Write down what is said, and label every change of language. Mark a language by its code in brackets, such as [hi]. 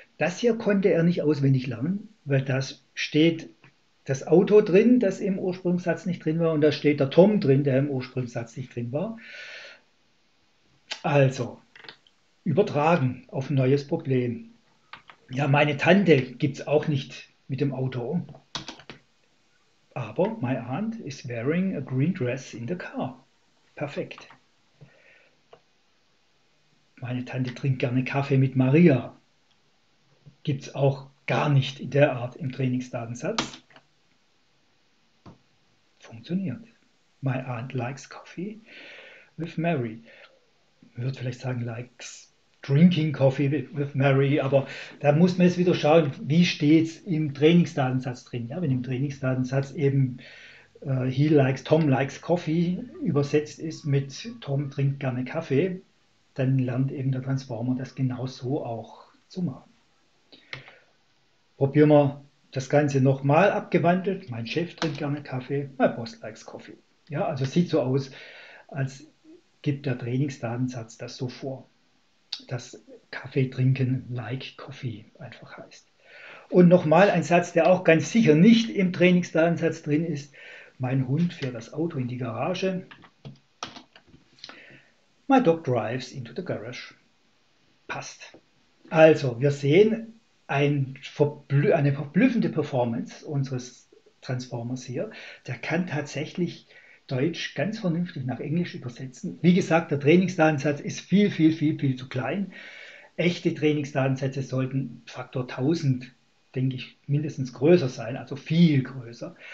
[de] Das hier konnte er nicht auswendig lernen, weil das steht das Auto drin, das im Ursprungssatz nicht drin war, und da steht der Tom drin, der im Ursprungssatz nicht drin war. Also, übertragen auf ein neues Problem. Ja, meine Tante gibt es auch nicht mit dem Auto. Aber [en] my aunt is wearing a green dress in the car. [de] Perfekt. Meine Tante trinkt gerne Kaffee mit Maria. Gibt es auch gar nicht in der Art im Trainingsdatensatz. Funktioniert. [en] My aunt likes coffee with Mary. [de] Ich würde vielleicht sagen, [en] likes drinking coffee with Mary, [de] aber da muss man jetzt wieder schauen, wie steht es im Trainingsdatensatz drin. Ja, wenn im Trainingsdatensatz eben [en] Tom likes coffee [de] übersetzt ist mit Tom trinkt gerne Kaffee, dann lernt eben der Transformer das genauso auch zu machen. Probieren wir das Ganze nochmal abgewandelt. Mein Chef trinkt gerne Kaffee, mein [en] Boss likes coffee. [de] Ja, also sieht so aus, als gibt der Trainingsdatensatz das so vor, dass Kaffee trinken [en] like coffee [de] einfach heißt. Und nochmal ein Satz, der auch ganz sicher nicht im Trainingsdatensatz drin ist. Mein Hund fährt das Auto in die Garage. [en] My dog drives into the garage. [de] Passt. Also, wir sehen eine verblüffende Performance unseres Transformers hier. Der kann tatsächlich Deutsch ganz vernünftig nach Englisch übersetzen. Wie gesagt, der Trainingsdatensatz ist viel, viel, viel, viel zu klein. Echte Trainingsdatensätze sollten Faktor 1000, denke ich, mindestens größer sein, also viel größer.